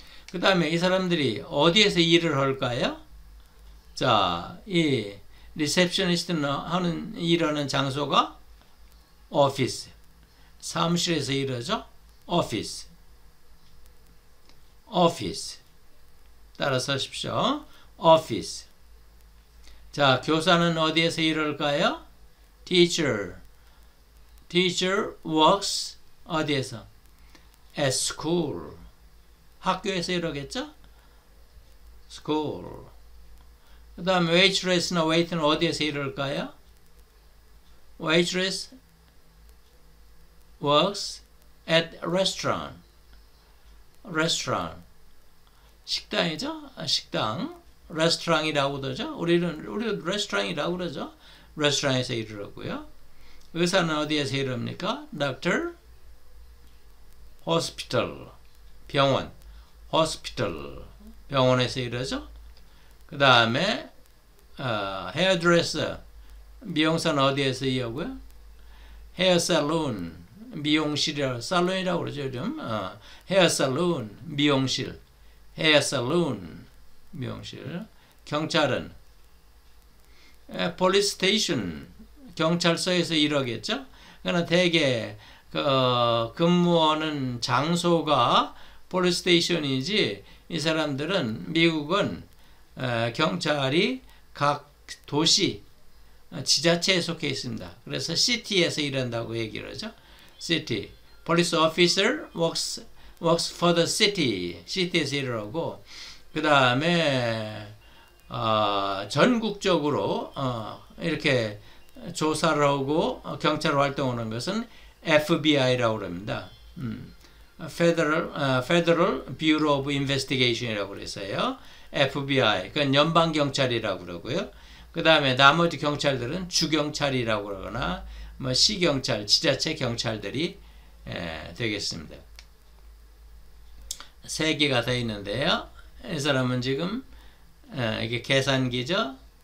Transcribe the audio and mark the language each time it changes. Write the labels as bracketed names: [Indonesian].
[Korean] 그 다음에 이 사람들이 어디에서 일을 할까요? 자, 이 receptionist는 하는 일하는 장소가 office, 사무실에서 일하죠. office. 따라서 하십시오. office. 자, 교사는 어디에서 일할까요? [English] teacher works [Korean] 어디에서? [English] at school. [Korean] 학교에서 일하겠죠? [English] school. [Korean] 그 다음 waitress나 waiter는 어디에서 일할까요? [English] waitress works at restaurant. [Korean] 식당이죠? 식당. 레스토랑이라고 그러죠? 우리도 레스토랑이라고 그러죠? 레스토랑에서 일을 하고요. 의사는 어디에서 일을 합니까? Doctor. Hospital. 병원. Hospital. 병원에서 일하죠? 그 다음에 헤어드레서 미용사는 어디에서 이어고요? 헤어살룬 미용실이라고 살룬이라고 그러죠 요즘 헤어살룬 미용실 헤어살룬 미용실 경찰은 폴리스 스테이션 경찰서에서 일하겠죠? 그러나 대개 그 근무하는 장소가 폴리스 스테이션이지 이 사람들은 미국은 경찰이 각 도시 지자체에 속해 있습니다. 그래서 시티에서 일한다고 얘기를 하죠. 시티. [English] Police officer works for the city. [Korean] 시티에서 일을 하고 그 다음에 전국적으로 이렇게 조사를 하고 경찰 활동하는 것은 FBI라고 합니다. Federal Bureau of Investigation이라고 그랬어요. FBI. 그건 연방경찰이라고 그러고요. 그 다음에 나머지 경찰들은 주경찰이라고 그러거나 뭐 시경찰, 지자체 경찰들이 되겠습니다. 세 개가 되어 있는데요. 이 사람은 지금 이게 계산기죠.